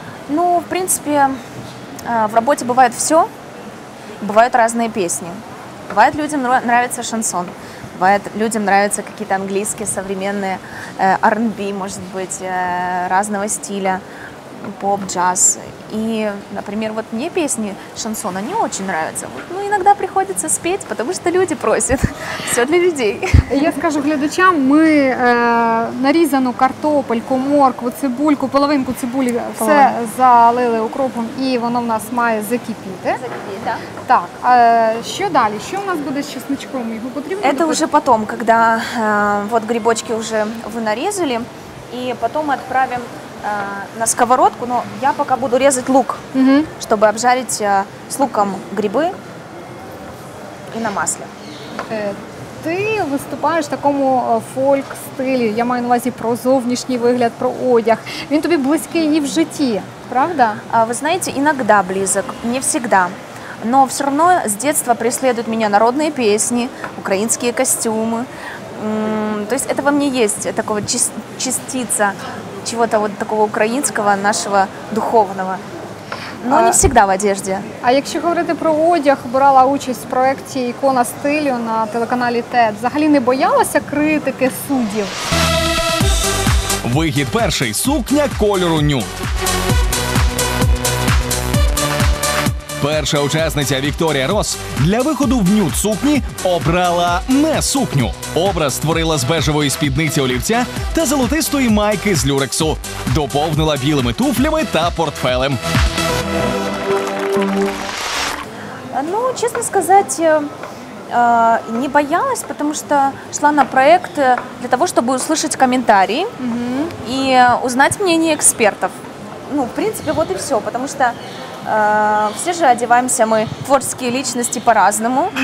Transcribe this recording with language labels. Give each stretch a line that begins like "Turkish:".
Ukrainian: Ну, в принципі, в роботі буває все, бувають різні пісні. Буває, людям подобається шансон, буває, людям подобаються якісь англійські, сучасні, R&B, може бути, різного стилю, поп, джаз.
Russian: И, например, вот мне песни шансона не очень нравятся. Ну, иногда приходится спеть, потому что люди просят. Все для людей.
Ukrainian: Я скажу глядачам, мы нарезану картопельку, моркву, цибульку, половинку цибулі, все залили укропом, і воно в нас має закипіти. Закипіти, да. Так. Що далі? Що у нас буде з чесночком? Його потрібно?
Russian: Это уже потом, когда вот грибочки уже вы нарезали, и потом мы отправим на сковородку, но я пока буду резать лук, чтобы обжарить с луком грибы и на масле.
Ukrainian: Ти виступаєш в такому фольк-стилі, я маю на увазі про зовнішній вигляд, про одяг. Він тобі близький і в житті, правда? Ви знаєте, іноді близок, не завжди.
Russian: Но все равно
Ukrainian: з дитинства преследують мене народні пісні, українські костюми.
Russian: То есть это во мне есть, такого частица чего-то вот такого украинского, нашего духовного. Но не всегда в одежде.
Ukrainian: А якщо говорити про одяг, брала участь в проєкті «Ікона стилю» на телеканалі ТЕД, взагалі не боялася критики суддів? Вигід перший – сукня кольору ню. Перша учасниця Вікторія Рос для виходу в нюд сукні обрала не сукню. Образ створила з бежевої спідниці олівця та золотистої майки з люрексу. Доповнила білими туфлями та портфелем.
Russian: Ну,
Ukrainian: чесно сказати,
Russian: не боялась, потому что шла на проект для того, чтобы услышать комментарии и узнать мнение экспертов. Ну, в принципе, вот и все, потому что все же одеваемся мы, творческие личности, по-разному.